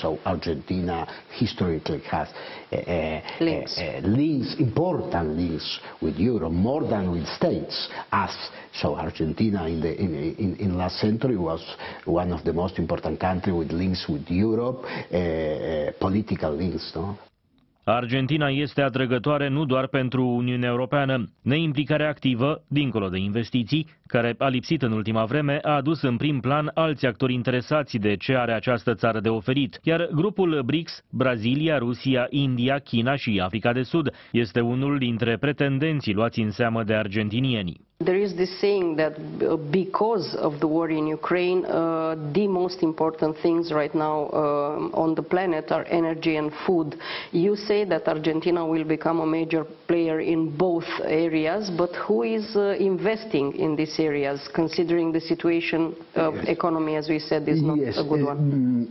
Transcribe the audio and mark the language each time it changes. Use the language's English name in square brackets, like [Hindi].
[English] So Argentina historically has links, important links with Europe, more than with states. So Argentina in last century was one of the most important country with links with Europe, political links, no? [Romanian] Argentina este atrăgătoare nu doar pentru Uniunea Europeană. Neimplicarea activă, dincolo de investiții, care a lipsit în ultima vreme, a adus în prim plan alți actori interesați de ce are această țară de oferit. Iar grupul BRICS, Brazilia, Rusia, India, China și Africa de Sud, este unul dintre pretendenții luați în seamă de argentinienii. [English] There is this saying that because of the war in Ukraine, the most important things right now on the planet are energy and food. You say that Argentina will become a major player in both areas, but who is investing in these areas, considering the situation of economy, as we said, is not a good one?